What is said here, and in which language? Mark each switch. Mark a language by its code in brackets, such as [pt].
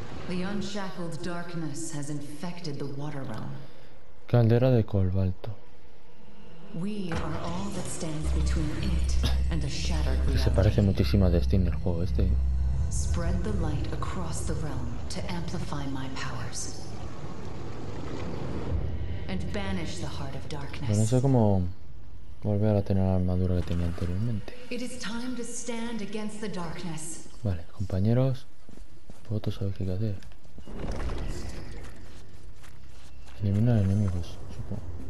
[en] Unshackled darkness has infected the water realm. Caldera de cobalto. We are all that stands between it and a shattered reality. [es] Se parece muchísimo a Destiny el juego este. [en] Spread the light across the realm to amplify my powers. And banish the heart of darkness. [es] Bueno, no sé cómo volver a tener la armadura que tenía anteriormente. [en] It is time to stand against the darkness. [es] Vale, compañeros, vosotros sabéis qué hacer. Eliminar enemigos, supongo.